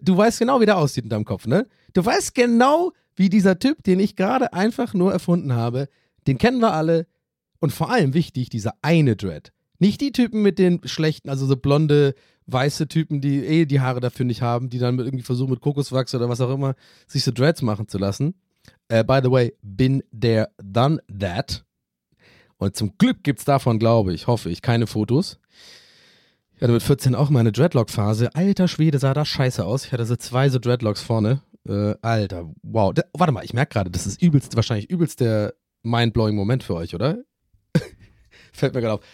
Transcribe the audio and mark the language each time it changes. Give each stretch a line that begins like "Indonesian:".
German: Du weißt genau, wie der aussieht in deinem Kopf, ne? Du weißt genau, wie dieser Typ, den ich gerade einfach nur erfunden habe... Den kennen wir alle. Und vor allem wichtig, dieser eine Dread. Nicht die Typen mit den schlechten, also so blonde, weiße Typen, die eh die Haare dafür nicht haben, die dann irgendwie versuchen mit Kokoswachs oder was auch immer, sich so Dreads machen zu lassen.
English: By the way, been there, done that.
German: Und zum Glück gibt's davon, glaube ich, hoffe ich, keine Fotos. Ich hatte mit 14 auch meine Dreadlock-Phase. Alter Schwede, sah das scheiße aus. Ich hatte so 2 so Dreadlocks vorne. Alter, wow. Warte mal, ich merke gerade, das ist wahrscheinlich übelst der mindblowing Moment für euch, oder? Fällt mir gerade auf.